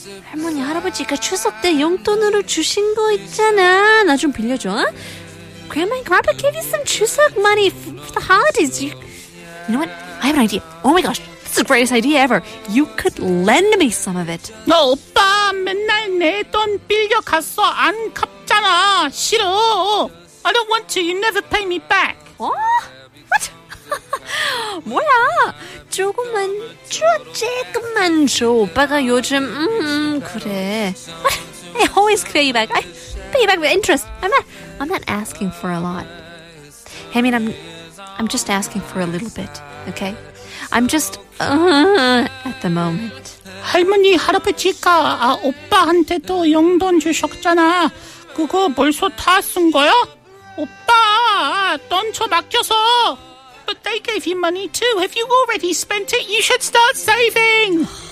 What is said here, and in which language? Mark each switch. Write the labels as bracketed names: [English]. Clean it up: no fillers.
[Korean] 할머니, 할아버지가 추석 때 용돈으로 주신 거 있잖아. 나 좀 빌려줘. [English] Grandma and Grandpa gave you some 추석 money for the holidays. You know what? I have an idea. Oh my gosh, that's the greatest idea ever. You could lend me some of it. [Korean] 너 오빠 맨날 내 돈 빌려갔어. 안 갚잖아. 싫어. [English] I don't want to. You never pay me back. What? [Korean] 뭐야? 조금만 줘, 조금만 줘. 오빠가 요즘 그래. [English] What? I always pay you back. I pay you back with interest. I'm not asking for a lot. Hey, I mean, I'm just asking for a little bit. Okay? I'm just at the moment. [Korean] 할머니 할아버지가 오빠한테도 용돈 주셨잖아. 그거 벌써 다 쓴 거야? 오빠 돈 저 맡겨서. [English] But they gave you money too. Have you already spent it? You should start saving.